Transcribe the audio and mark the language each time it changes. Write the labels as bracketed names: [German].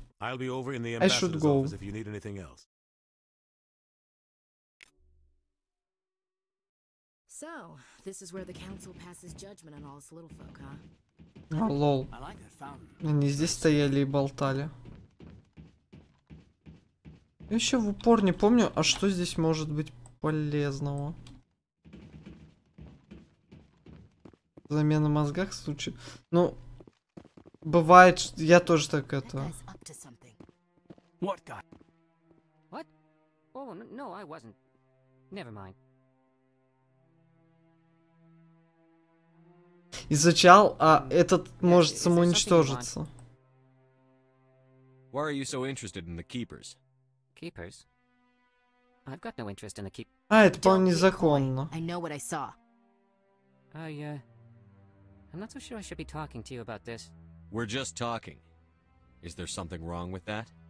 [English] I'll be over in the ambassador's office if you need anything else. So, this is where the council passes judgment on all its little folk, huh? [Russian] А, лол. Они здесь стояли и болтали. Я еще в упор не помню, а что здесь может быть полезного. замена мозга случится. Ну, бывает, я тоже так это. Изучал, а этот может самоуничтожиться. [English] Why are you so interested in the keepers? Keepers? I've got no interest in the keep. [Russian] А это вполне незаконно. [English] I know what I saw. I'm not so sure I should be talking to you about this. We're just talking. Is there something wrong with that?